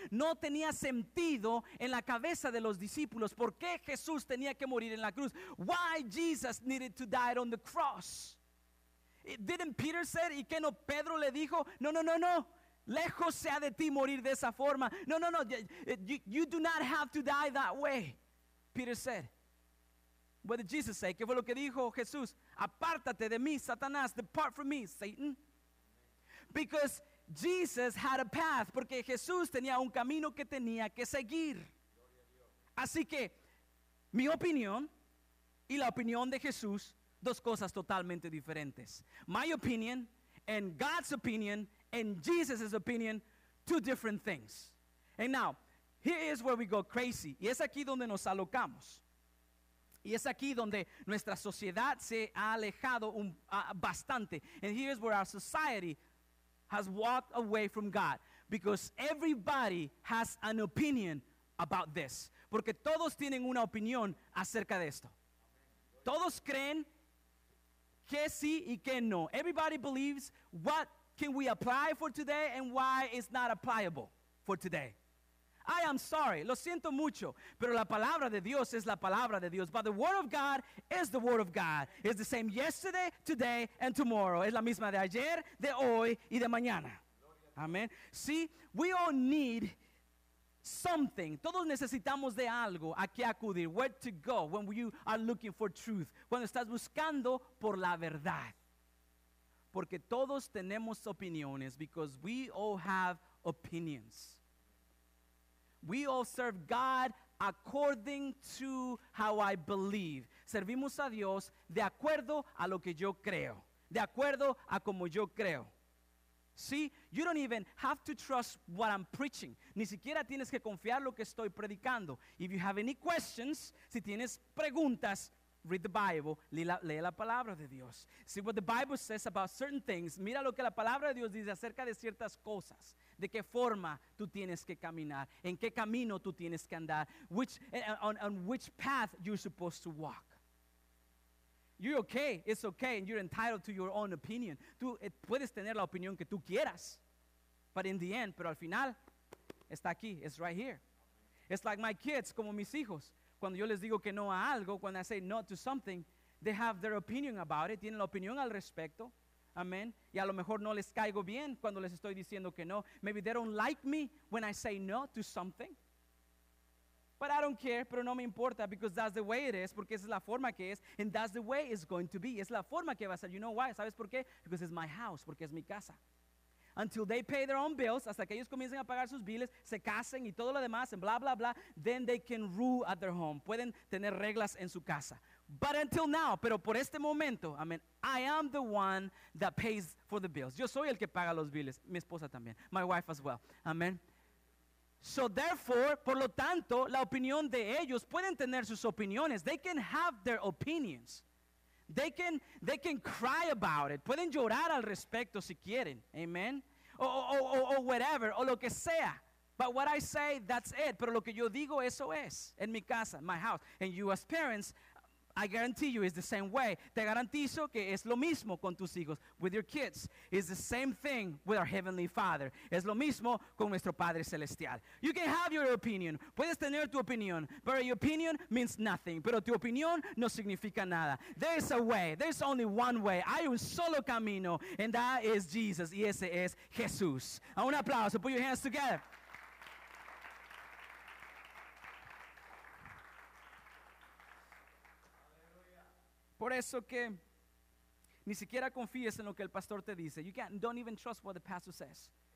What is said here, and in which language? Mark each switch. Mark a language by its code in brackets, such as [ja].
[es] No tenía sentido en la cabeza de los discípulos. ¿Por qué Jesús tenía que morir en la cruz? [en] Why Jesus needed to die on the cross? Didn't Peter say, [es] y que no, Pedro le dijo, no, lejos sea de ti morir de esa forma. [en] No, you do not have to die that way, Peter said. What did Jesus say? [es] ¿Qué fue lo que dijo Jesús? Apártate de mí, Satanás, [en] depart from me, Satan. Because Jesus had a path, [es] porque Jesús tenía un camino que tenía que seguir. Así que, mi opinión y la opinión de Jesús, dos cosas totalmente diferentes. [en] My opinion and God's opinion and Jesus' opinion, two different things. And now, here is where we go crazy. [es] Y es aquí donde nos alocamos. Y es aquí donde nuestra sociedad se ha alejado bastante. [en] And here is where our society has walked away from God. Because everybody has an opinion about this. [es] Porque todos tienen una opinión acerca de esto. Todos creen que sí y que no. [en] Everybody believes what can we apply for today and why it's not applicable for today. I am sorry, [es] lo siento mucho, pero la palabra de Dios es la palabra de Dios. [en] But the word of God is the word of God. It's the same yesterday, today, and tomorrow. [es] Es la misma de ayer, de hoy, y de mañana. [en] Amen. See, we all need something. [es] Todos necesitamos de algo a qué acudir. [en] Where to go when you are looking for truth. [es] Cuando estás buscando por la verdad. Porque todos tenemos opiniones. [en] Because we all have opinions. We all serve God according to how I believe. [es] Servimos a Dios de acuerdo a lo que yo creo. De acuerdo a como yo creo. [en] See, you don't even have to trust what I'm preaching. [es] Ni siquiera tienes que confiar lo que estoy predicando. [en] If you have any questions, [es] si tienes preguntas, [en] read the Bible, [es] lee la palabra de Dios. [en] See what the Bible says about certain things. [es] Mira lo que la palabra de Dios dice acerca de ciertas cosas. De qué forma tú tienes que caminar. En qué camino tú tienes que andar. [en] On which path you're supposed to walk. You're okay, it's okay, and you're entitled to your own opinion. [es] Tú puedes tener la opinión que tú quieras, [en] but in the end, [es] pero al final, está aquí, [en] it's right here. It's like my kids, [es] como mis hijos. Cuando yo les digo que no a algo, cuando [en] I say no to something, they have their opinion about it, [es] tienen la opinión al respecto, amen. Y a lo mejor no les caigo bien cuando les estoy diciendo que no. [en] Maybe they don't like me when I say no to something. But I don't care, [es] pero no me importa, [en] because that's the way it is, [es] porque esa es la forma que es, [en] and that's the way it's going to be. [es] Es la forma que va a ser. [en] You know why? [es] ¿Sabes por qué? [en] Because it's my house, [es] porque es mi casa. [en] until they pay their own bills, [es] hasta que ellos comiencen a pagar sus biles, se casen y todo lo demás, [en] and blah, blah, blah, then they can rule at their home. [es] Pueden tener reglas en su casa. [en] But until now, [es] pero por este momento, [en] I mean, I am the one that pays for the bills. [es] Yo soy el que paga los biles, mi esposa también, [en] my wife as well. [es] Amen. [en] So therefore, [es] por lo tanto, la opinión de ellos, pueden tener sus opiniones. [en] They can have their opinions. They can cry about it. [es] Pueden llorar al respecto si quieren. Amen. [en] Or whatever, [es] o lo que sea. [en] But what I say, that's it. [es] Pero lo que yo digo, eso es. En mi casa, [en] my house. And you as parents, I guarantee you, it's the same way. [es] Te garantizo que es lo mismo con tus hijos. [en] With your kids, it's the same thing with our Heavenly Father. [es] Es lo mismo con nuestro Padre Celestial. [en] You can have your opinion. [es] Puedes tener tu opinión. [en] But your opinion means nothing. [es] Pero tu opinión no significa nada. [en] There is a way. There's only one way. [es] Hay un solo camino. [en] And that is Jesus. [es] Y ese es Jesús. A un aplauso. [en] Put your hands together. [es] Por eso que ni siquiera confíes en lo que el pastor te dice. [en] You can't, don't even trust what the pastor says.